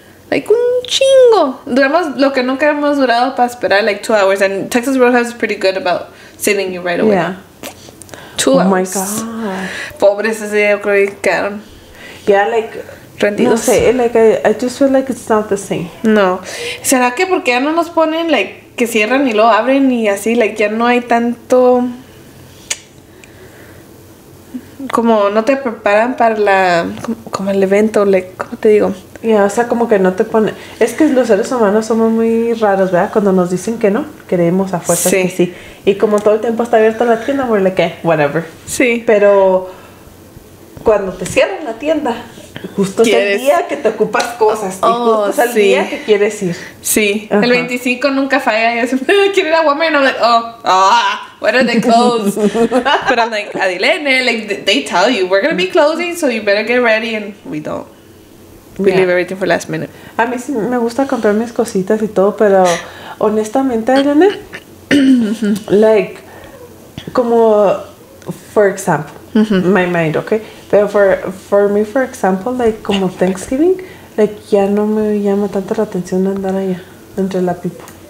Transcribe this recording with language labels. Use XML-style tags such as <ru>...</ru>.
<es>Like, un chingo. Duramos lo que nunca hemos durado para esperar,</es> <en>like, 2 hours. And Texas Roadhouse is pretty good about sitting you right away. Yeah. Two hours. Oh, my God.</en> <es>Pobres, ese día, yo creo que quedaron.</es> <en>Yeah, like,</en> <es>rendidos. No sé,</es> <en>like, I just feel like it's not the same. No.</en> <es>¿Será que porque ya no nos ponen, like, que cierran y lo abren y así? Like, ya no hay tanto. Como no te preparan para la. Como el evento, like, ¿cómo te digo? Yeah, o sea, como que no te pone. Es que los seres humanos somos muy raros, ¿verdad? Cuando nos dicen que no, creemos a fuerza sí. que sí. Y como todo el tiempo está abierta la tienda,</es> <en>we're like, whatever.</en> <es>Sí. Pero cuando te cierran la tienda, justo es el día que te ocupas cosas. Oh, y justo es el sí. día que quieres ir. Sí. Uh-huh. El 25 nunca falla. Y es, quiero ir a Walmart.</es> <en>And I'm like, oh, ah, what are they closed? But I'm like, Adilene, like, they tell you, we're going to be closing, so you better get ready. And we don't. We leave everything for last minute.</en> <es>A mí sí me gusta comprar mis cositas y todo, pero honestamente, Elena, like, como,</es> <en>for example, my mind, okay?</en> <es>Pero</es> <en>for me, for example,</en> <es>like, como Thanksgiving, like, ya no me llama tanto la atención andar allá, entre la people.</es>